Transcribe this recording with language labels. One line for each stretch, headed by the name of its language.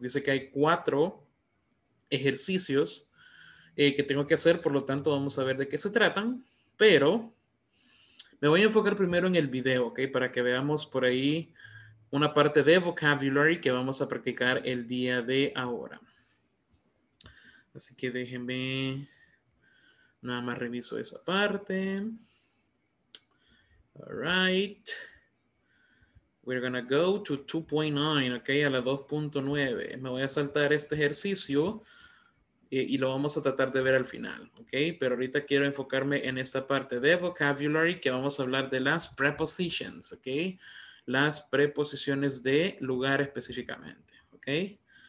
Spanish: Dice que hay 4 ejercicios que tengo que hacer, por lo tanto vamos a ver de qué se tratan, pero me voy a enfocar primero en el video, ¿ok? Para que veamos por ahí una parte de vocabulary que vamos a practicar el día de ahora. Así que déjenme nada más reviso esa parte.
English: All right. We're going to go to 2.9, ok,
Spanish: a la 2.9. Me voy a saltar este ejercicio y lo vamos a tratar de ver al final, ok. Pero ahorita quiero enfocarme en esta parte de vocabulary que vamos a hablar de las prepositions, ok. Las preposiciones de lugar específicamente, ok.